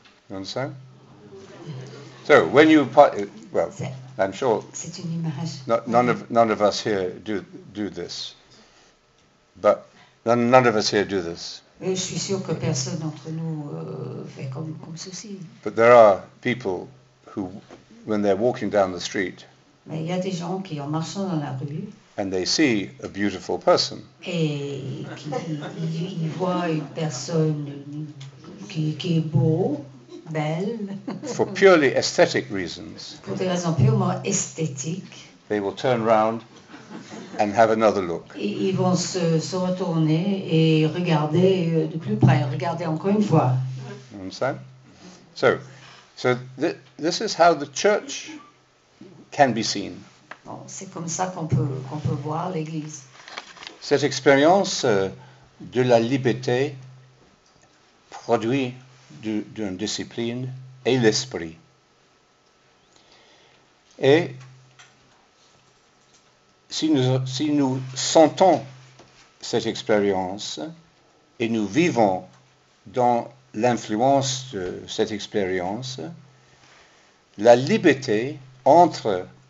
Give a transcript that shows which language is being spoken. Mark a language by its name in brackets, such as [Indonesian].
[English] You understand? So when you well, I'm sure [French] c'est une image. [English] None of us here do this. But none of us here do this. [French] Et je suis sûr que personne d'entre nous fait comme ceci. [English] But there are people who, when they're walking down the street, [French] mais il y a des gens qui, en marchant dans la rue, [English] and they see a beautiful person, [French] et qui voient une personne qui est beau, belle, [English] for purely aesthetic reasons, [French] pour des raisons purement esthétiques, [English] they will turn round and have another look. [French] Ils vont se retourner et regarder de plus près, regarder encore une fois. [English] You understand? So this is how the church can be seen. [French] Bon, c'est comme ça qu'on peut voir l'Église. Cette expérience de la liberté produit d'une discipline et l'esprit. Et si nous sentons cette expérience et nous vivons dans l'influence de cette expérience, la liberté entre